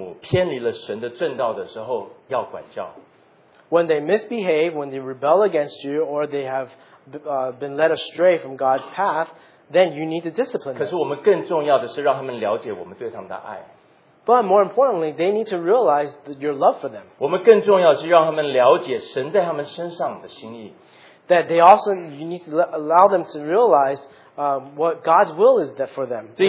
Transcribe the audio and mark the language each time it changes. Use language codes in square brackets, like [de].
[zh] 他们做错事情，顶撞父母，偏离了神的正道的时候，要管教。 [en] When they misbehave, when they rebel against you, or they have been led astray from God's path, then you need to discipline them. [zh] 可是我们更重要的是让他们了解我们对他们的爱。 [en] But more importantly, they need to realize your love for them. [zh] 我们更重要是让他们了解神在他们身上的心意。 [en] That they also, you need to allow them to realize what God's will is that for them.